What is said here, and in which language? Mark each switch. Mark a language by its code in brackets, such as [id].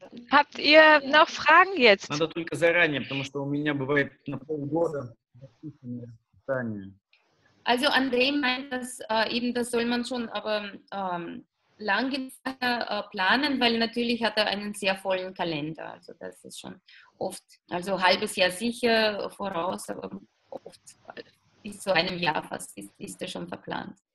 [de] Habt ihr noch Fragen jetzt? [ru] Надо только заранее, потому что у меня бывает на полгода записанное питание. [de] Also André meint, dass eben das soll man schon aber lange planen, weil natürlich hat er einen sehr vollen Kalender. Also das ist schon oft, also halbes Jahr sicher voraus, aber oft bis zu einem Jahr fast ist er schon verplant.